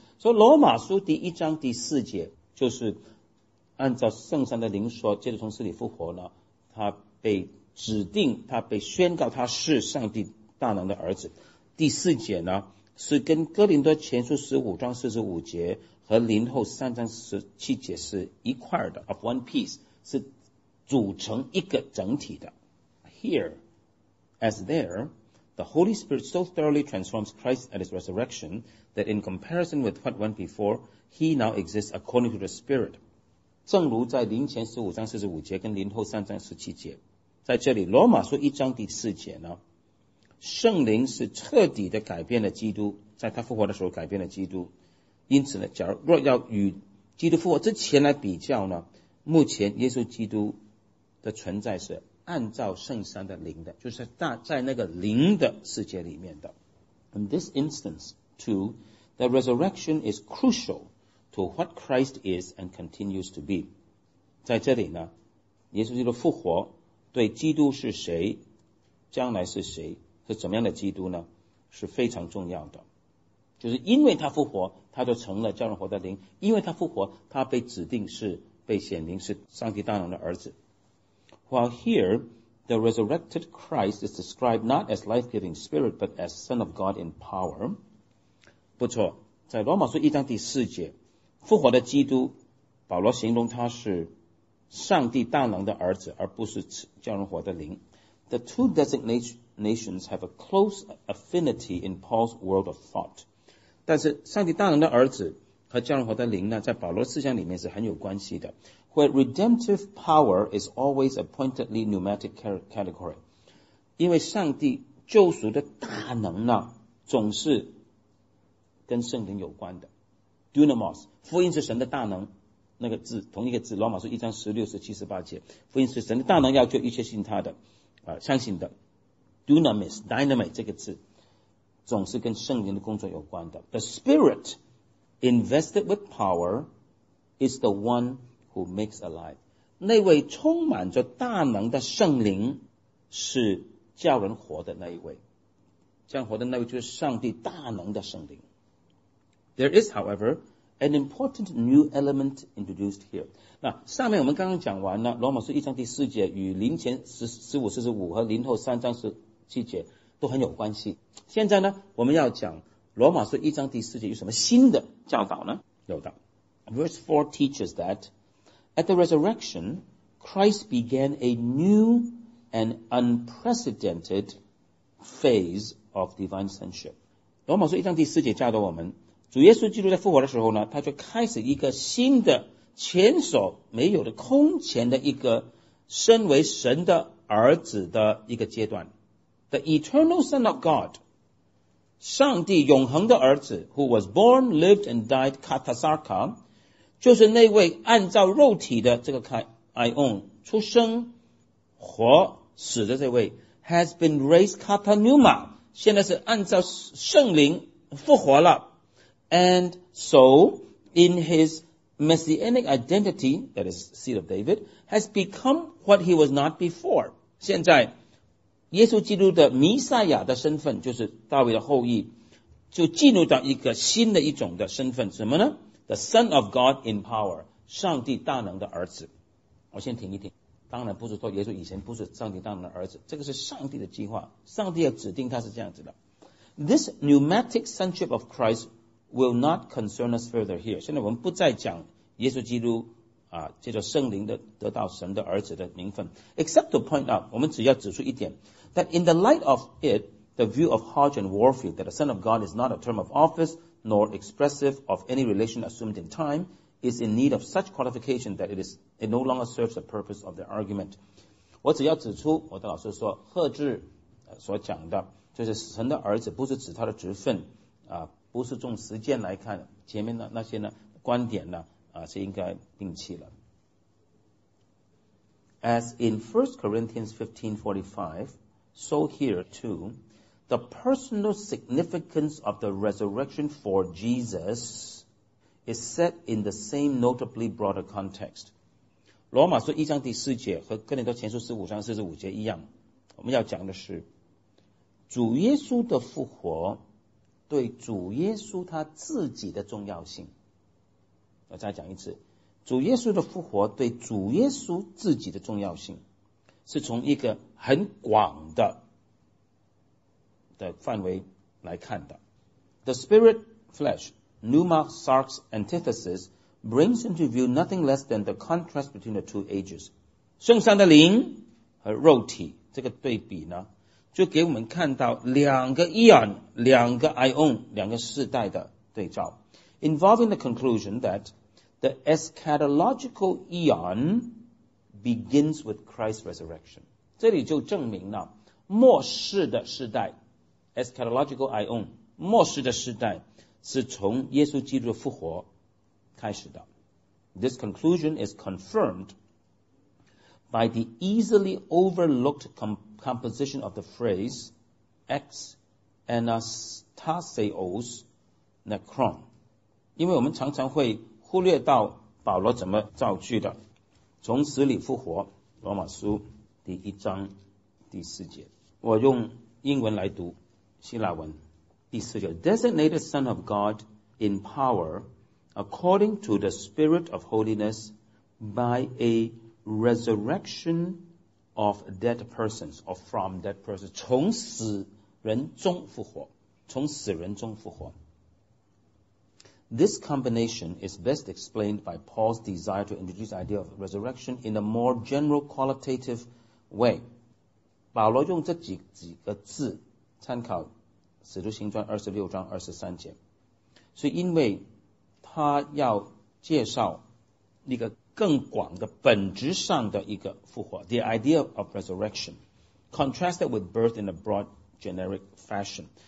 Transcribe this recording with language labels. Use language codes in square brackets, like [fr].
[zh] 所以罗马书第一章第四节就是。按照圣山的灵说接着从死里复活呢，他被指定他被宣告他是上帝大能的儿子。第四节呢是跟哥林多前书十五章四十五节和林后三章十七节是一块的 [en] of one piece， [zh] 是组成一个整体的。 [en] Here as there the Holy Spirit so thoroughly transforms Christ at his resurrection that in comparison with what went before he now exists according to the Spirit， [zh] 正如在林前十五章四十五节跟林后三章十七节，在这里罗马书一章第四节呢，圣灵是彻底的改变了基督，在他复活的时候改变了基督。因此呢，假如若要与基督复活之前来比较呢，目前耶稣基督的存在是按照圣山的灵的，就是在那个灵的世界里面的。 [en] In this instance, too, the resurrection is crucial to what Christ is and continues to be. [zh] 在这里呢，耶稣基督复活对基督是谁，将来是谁，是怎么样的基督呢，是非常重要的。就是因为他复活，他就成了叫人活的灵，因为他复活，他被指定是被显灵，是上帝大能的儿子。 [en] While here, the resurrected Christ is described not as life-giving spirit, but as Son of God in power. [zh] 不错，在罗马书一章第四节，复活的基督，保罗形容他是上帝大能的儿子，而不是叫人活的灵。 [en] The two designations have a close affinity in Paul's world of thought. [zh] 但是上帝大能的儿子和叫人活的灵呢，在保罗思想里面是很有关系的。 [en] Where redemptive power is always a pointedly pneumatic category. [zh] 因为上帝救赎的大能呢，总是跟圣灵有关的。 Dunamos, 福音是神的大能，那个字，同一个字，罗马书一章十六、十七、十八节，福音是神的大能，要救一切信他的，相信的。 Dunamis, dynamite 这个字，总是跟圣灵的工作有关的。 [en] The Spirit invested with power is the one who makes alive. [zh] 那位充满着大能的圣灵是叫人活的那一位。叫人活的那位就是上帝大能的圣灵。 [en] There is, however, an important new element introduced here. [zh] 那上面我们刚刚讲完了罗马书一章第四节与林前十五、四十五和林后三章十七节都很有关系。现在呢，我们要讲罗马书一章第四节有什么新的教导呢？有的。 [en] Verse 4 teaches that at the resurrection, Christ began a new and unprecedented phase of divine sonship. [zh] 罗马书一章第四节教导我们，主耶稣基督在复活的时候呢，他就开始一个新的、前所没有的、空前的一个身为神的儿子的一个阶段。 [en] The eternal Son of God, [zh] 上帝永恒的儿子 , [en] who was born, lived and died, Katasarka, [zh] 就是那位按照肉体的这个 Ion, 出生、活、死的这位 , [en] has been raised Katanuma, [zh] 现在是按照圣灵复活了。 [en] And so, in his messianic identity, that is seed of David, has become what he was not before. [zh] 现在耶稣基督的弥赛亚的身份，就是大卫的后裔，就进入到一个新的一种的身份，什么呢？ [en] The Son of God in power, [zh] 上帝大能的儿子。我先停一停，当然不是说耶稣以前不是上帝大能的儿子，这个是上帝的计划，上帝要指定他是这样子的。 [en] This pneumatic sonship of Christ will not concern us further here. [zh] 现在我们不再讲耶稣基督啊，借着圣灵的得到神的儿子的名分。 [en] Except to point out, [zh] 我们只要指出一点 [en] ,that in the light of it, the view of Hodge and Warfield that the Son of God is not a term of office nor expressive of any relation assumed in time is in need of such qualification that it no longer serves the purpose of the argument. [zh] 我只要指出，我的老师说，赫志所讲的就是神的儿子不是指他的职分啊，不是从实践来看，前面的那些呢观点呢是应该摒弃了。 [en] As in 1 Corinthians 15:45, so here too, the personal significance of the resurrection for Jesus is set in the same notably broader context. [zh] 罗马书一章第四节和哥林多前书十五章四十五节一样，我们要讲的是主耶稣的复活对主耶稣他自己的重要性。我再讲一次，主耶稣的复活对主耶稣自己的重要性是从一个很广的范围来看的。 [en] The spirit flesh Pneuma Sarx antithesis brings into view nothing less than the contrast between the two ages. [zh] 圣山的灵和肉体这个对比呢，就给我们看到两个 Aeon 两个 Ion 两个世代的对照， [en] involving the conclusion that The eschatological eon begins with Christ's resurrection. [zh] 这里就证明了末世的时代 eschatological eon 末世的时代是从耶稣基督的复活开始的。 [en] This conclusion is confirmed by the easily overlooked composition of the phrase ex anastasios nekron. [zh] 因为我们常常会忽略到保罗怎么造句的，从死里复活，罗马书第一章第四节。我用英文来读，希腊文第四节 [en] ：Designated Son of God in power, according to the Spirit of holiness, by a resurrection of dead persons or from dead persons， [zh] 从死人中复活，从死人中复活。 [en] This combination is best explained by Paul's desire to introduce the idea of resurrection in a more general qualitative way. [zh] 保罗用这 几个字参考使徒行传26章23节，所以因为他要介绍一个更广的本质上的一个复活 [en] The idea of resurrection contrasted with birth in a broad generic fashion.